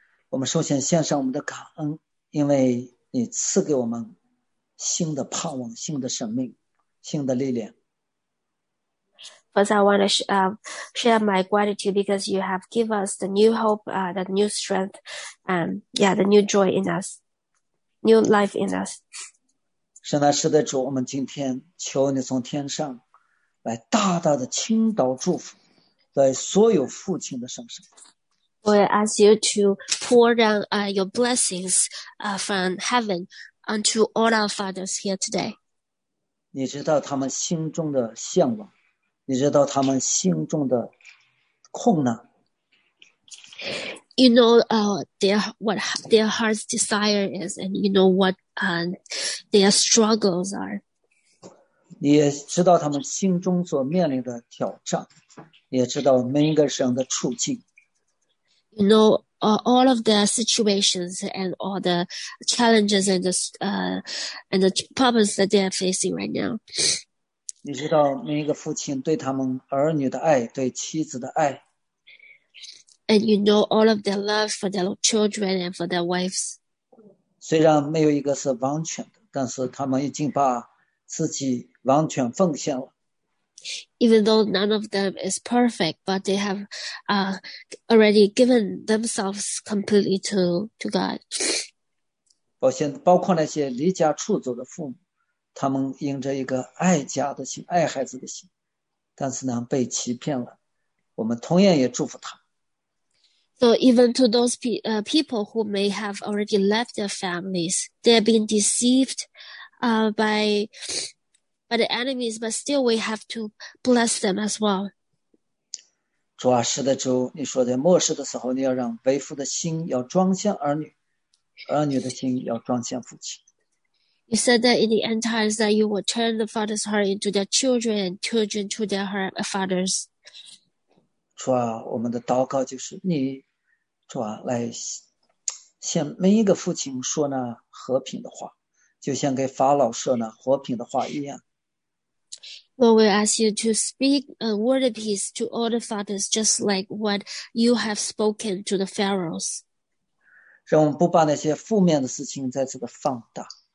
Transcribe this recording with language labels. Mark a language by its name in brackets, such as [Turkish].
[Chinese] 我们首先献上我们的感恩，因为你赐给我们新的盼望、新的生命、新的力量。 [English] First, I want to share my gratitude because you have given us the new hope, the new strength, the new joy in us, new life in us. [Chinese] 神啊，是的，主，我们今天求你从天上来大大的倾倒祝福在所有父亲的身上。 [English] We ask you to pour down your blessings from heaven unto all our fathers here today. [Chinese] 你知道他们心中的向往。你知道他们心中的困难。 [English] You know, what their heart's desire is, and you know what, their struggles are. [Chinese] 你也知道他们心中所面临的挑战，也知道每一个人的处境。 [English] You know, all of their situations and all the challenges and the problems that they are facing right now. [Chinese] 你知道每一个父亲对他们儿女的爱，对妻子的爱。 [English] And you know all of their love for their children and for their wives. [Chinese] 虽然没有一个是完全的，但是他们已经把自己完全奉献了。 [English] Even though none of them is perfect, but they have already given themselves completely to God. [Chinese] 包括那些离家出走的父母。他们因着一个爱家的心、爱孩子的心，但是呢被欺骗了。我们同样也祝福他。 [English] So even to those people who may have already left their families, they have been deceived, by the enemies, but still we have to bless them as well. [Chinese] 主啊，是的，主，你说在末世的时候，你要让为父的心要装向儿女，儿女的心要装向父亲。 [English] You said that in the end times that you will turn the father's heart into their children and children to their heart, fathers. [Chinese] 主啊，我们的祷告就是你，主啊，来向每一个父亲说呢和平的话，就像给法老说呢和平的话一样。 [English] Lord, we ask you to speak a word of peace to all the fathers, just like what you have spoken to the pharaohs. [Chinese] 让我们不把那些负面的事情再次的放大。